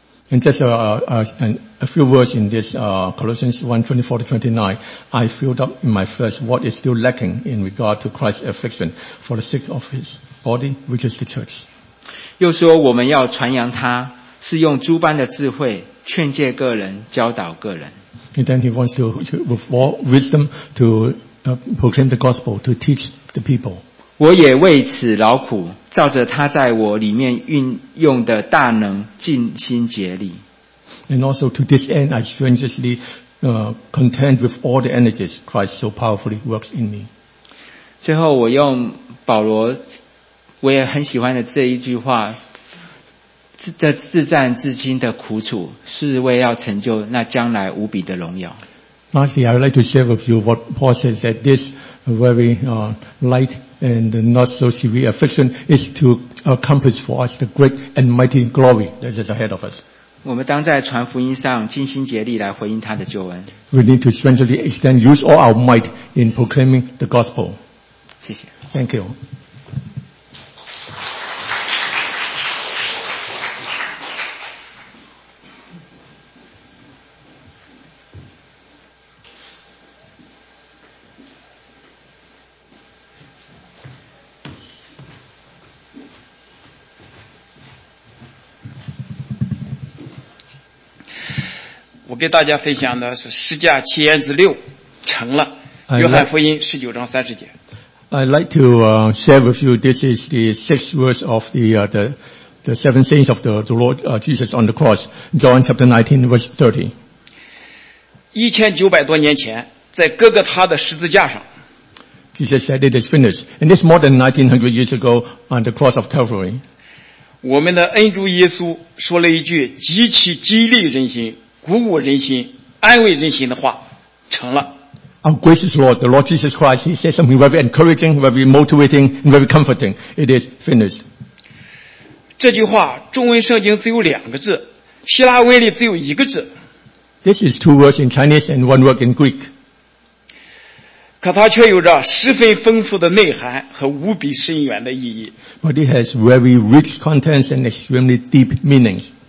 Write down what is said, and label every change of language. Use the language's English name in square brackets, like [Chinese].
[English] And just a few words in this Colossians 1:24-29, I filled up in my flesh what is still lacking in regard to Christ's affliction for the sake of His body, which is the church. [Chinese] 又说我们要传扬他，是用诸般的智慧劝诫个人，教导个人。 [English] And then he wants to, with all wisdom, to proclaim the gospel, to teach the people. [Chinese] 我也为此劳苦，照着他在我里面运用的大能，尽心竭力。 [English] And also to this end, I strenuously contend with all the energies Christ so powerfully works in me. [Chinese] 最后我用保罗，我也很喜欢的这一句话，自战至今的苦楚是为要成就那将来无比的荣耀。 [English] Lastly, I would like to share with you what Paul says that this very light and not so severe affliction is to accomplish for us the great and mighty glory that is ahead of us. [Chinese] 我们当在传福音上尽心竭力来回应他的救恩。 [English] We need to strangely extend, use all our might in proclaiming the gospel. [Chinese] 谢谢。 [English] Thank you. [Chinese] 我给大家分享的是十架七言之六成了约翰福音十九章三十节。 [English] I'd like to share with you this is the sixth verse of the seven sayings of the Lord Jesus on the cross, John chapter 19 verse 30. [Chinese] 1900多年前在哥哥他的十字架上。 [English] Jesus said it is finished. And this more than 1900 years ago on the cross of Calvary. [Chinese] 我们的恩主耶稣说了一句极其激励人心鼓舞人心安慰人心的话成了。 [English] Our gracious Lord, the Lord Jesus Christ, He said something very encouraging, very motivating, and very comforting. It is finished. [Chinese] 这句话中文圣经只有两个字希腊文里只有一个字。 [English] This is two words in Chinese and one word in Greek. [Chinese] 可它却有着十分丰富的内涵和无比深远的意义。 [English] But it has very rich contents and extremely deep meanings.